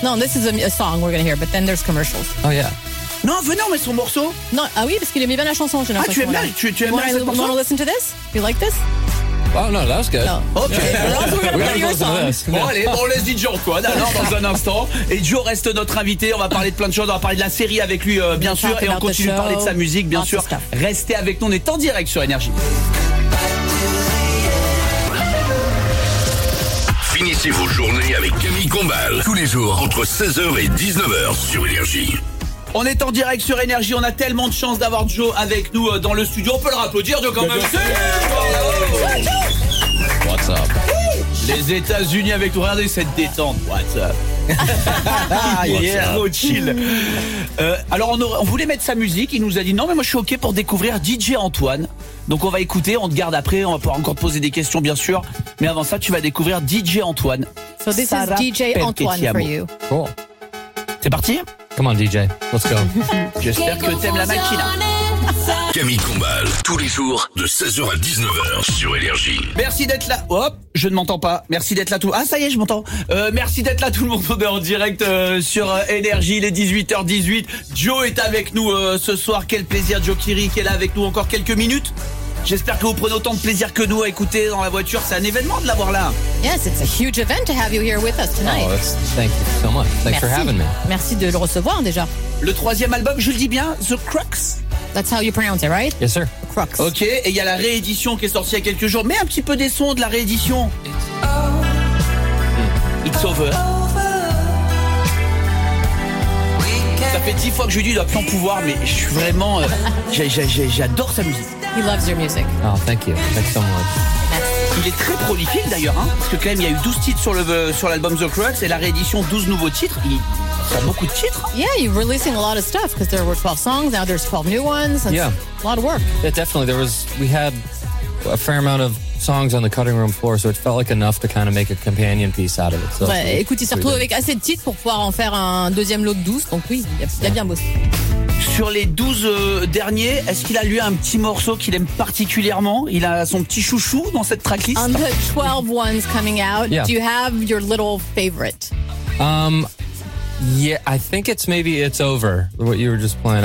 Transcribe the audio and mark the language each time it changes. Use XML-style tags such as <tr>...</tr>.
<en>No, this is a song we're gonna hear, but then there's commercials. Oh, yeah.</en> <fr>Non, venez, on met son morceau. Non, ah oui, parce qu'il aimait bien la chanson, j'ai l'impression. Ah, tu aimes bien, tu aimes bien cette chanson?</fr> <en>You wanna listen to this? You like this? Oh no, that was good. No. Okay. Yeah. We're gonna play your song.</en> <fr>Bon, allez, on laisse DJ Antoine alors dans un instant. Et Joe reste notre invité. On va parler de plein de choses. On va parler de la série avec lui, bien sûr. Et on continue de parler de sa musique, bien sûr. Restez avec nous. On est en direct sur Energy. Finissez vos journées avec Camille Combal. Tous les jours, entre 16h et 19h sur Energy. On est en direct sur Energy. On a tellement de chance d'avoir Joe avec nous dans le studio. On peut le rapplaudir, Joe, quand même.</fr> <en>What's up?</en> <fr>Les États-Unis avec toi. Regardez cette détente.</fr> <en>What's up? Yeah, chill.</en> <fr>Alors, on voulait mettre sa musique. Il nous a dit non, mais moi, je suis OK pour découvrir DJ Antoine. Donc, on va écouter. On te garde après. On va pouvoir encore poser des questions, bien sûr. Mais avant ça, tu vas découvrir DJ Antoine.</fr> <en>So, this Sarah is DJ Antoine for you. Cool.</en> <fr>C'est parti?</fr> <en>Come on, DJ. Let's go.</en> <fr>J'espère que t'aimes la machine. Camille Combal, tous les jours de 16h à 19h sur Énergie. Merci d'être là. Hop, je ne m'entends pas. Merci d'être là tout. Ah, ça y est, je m'entends. Merci d'être là tout le monde. On est en direct sur Énergie, il est 18h18. Joe est avec nous ce soir. Quel plaisir, Joe Kiri, qui est là avec nous encore quelques minutes. J'espère que vous prenez autant de plaisir que nous à écouter dans la voiture. C'est un événement de l'avoir là.</fr> <en>Yes, it's a huge event to have you here with us tonight. Oh, thank you so much. Thanks for having me.</en> <fr>Merci de le recevoir déjà. Le troisième album, je le dis bien, The Crux.</fr> <en>That's how you pronounce it, right? Yes, sir. The Crux.</en> <fr>Ok, et il y a la réédition qui est sortie il y a quelques jours. Mets un petit peu des sons de la réédition. It's over. Ça fait 10 fois que je lui dis, il doit plus en pouvoir, mais je suis vraiment... j'adore sa musique.</fr> <en>He loves your music. Oh, thank you. Thanks so much.</en> <fr>Il est très prolifique d'ailleurs, hein, parce que quand même il y a eu 12 titres sur l'album The Crux et la réédition 12 nouveaux titres. Il a beaucoup de titres.</fr> <en>Yeah, you're releasing a lot of stuff because there were 12 songs. Now there's 12 new ones. Yeah, a lot of work. Yeah, definitely. There was we had a fair amount of songs on the cutting room floor, so it felt like enough to kind of make a companion piece out of it. So,</en> <fr>bah, écoute, il s'est retrouvé avec assez de titres pour pouvoir en faire un deuxième lot de 12. Donc oui, il a bien bossé. Sur les 12 derniers, est-ce qu'il a lui un petit morceau qu'il aime particulièrement? Il a son petit chouchou dans cette tracklist?</fr> <en>On the 12 ones coming out, yeah. Do you have your little favorite? Yeah, I think it's maybe It's Over, what you were just playing.</en>